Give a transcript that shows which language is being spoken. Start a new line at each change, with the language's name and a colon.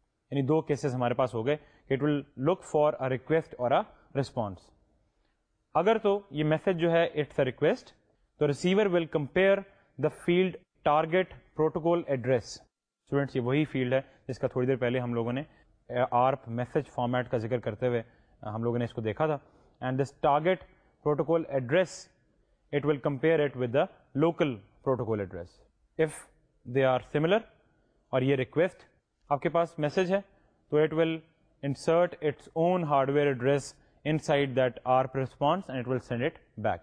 Urdu: یعنی دو کیسز ہمارے پاس ہو گئے کہ
English: It will look for a request or a response.
Urdu: اگر تو یہ میسج جو ہے
English: It's a request, تو receiver will compare the field target protocol address.
Urdu: Students, یہ وہی فیلڈ ہے جس کا تھوڑی دیر پہلے ہم لوگوں نے ARP میسج فارمیٹ کا ذکر کرتے ہوئے ہم لوگوں نے اس کو دیکھا تھا.
English: And this target protocol address, it will compare it with the local protocol address if they are similar.
Urdu: اور یہ ریکویسٹ آپ کے پاس میسج ہے تو
English: It will insert its own hardware address inside that ARP response and it will send it back.